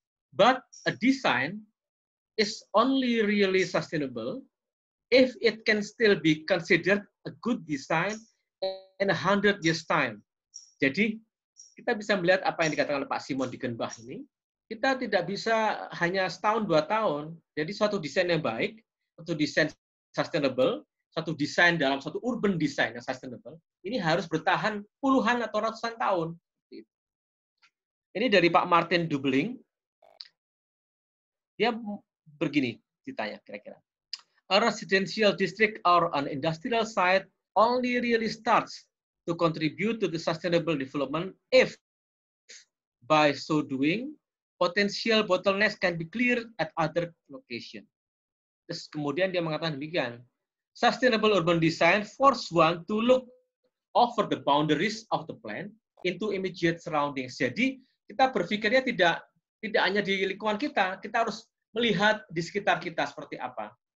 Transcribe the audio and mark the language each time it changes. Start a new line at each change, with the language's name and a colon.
English: But a design is only really sustainable if it can still be considered a good design in 100 years time.
Indonesian: Jadi, kita bisa melihat apa yang dikatakan oleh Pak Simon Dickenbach ini. Kita tidak bisa hanya setahun, dua tahun. Jadi, suatu desain yang baik, suatu desain sustainable, suatu desain dalam suatu urban design yang sustainable, ini harus bertahan puluhan atau ratusan tahun. Ini dari Pak Martin Dubling. Dia begini ditanya kira-kira.
English: A residential district or an industrial site only really starts to contribute to the sustainable development if, by so doing, potential bottlenecks can be cleared at other location.
Indonesian: Terus kemudian dia mengatakan demikian.
English: Sustainable urban design force one to look over the boundaries of the plan into immediate surroundings.
Indonesian: Jadi kita berpikirnya tidak hanya di lingkungan kita, kita harus melihat di sekitar kita seperti apa.